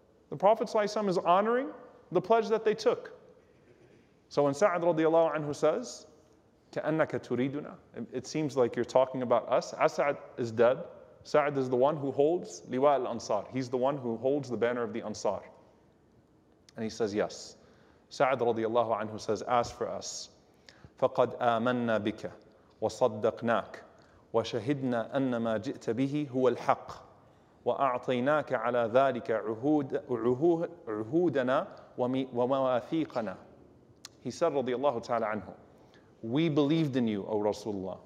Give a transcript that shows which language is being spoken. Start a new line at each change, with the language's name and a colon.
English: The Prophet ﷺ is honoring the pledge that they took. So when Sa'd radiallahu anhu says,
Arabic: كَأَنَّكَ تُرِيدُنَا,
English: it seems like you're talking about us. As'ad is dead. Sa'd is the one who holds liwa al-ansar. He's the one who holds the banner of the ansar. And he says, yes.
Arabic: Sa'd radiallahu anhu
English: says, as for us,
Arabic: فَقَدْ آمَنَّا بِكَ وَصَدَّقْنَاكَ وَشَهِدْنَا أَنَّ مَا جِئْتَ بِهِ هُوَ الْحَقِّ وَأَعْطَيْنَاكَ عَلَى ذَلِكَ عُهُودَنَا وَمَوَاثِيقَنَا.
English: He said, radiallahu ta'ala anhu, we believed in you, O Rasulullah.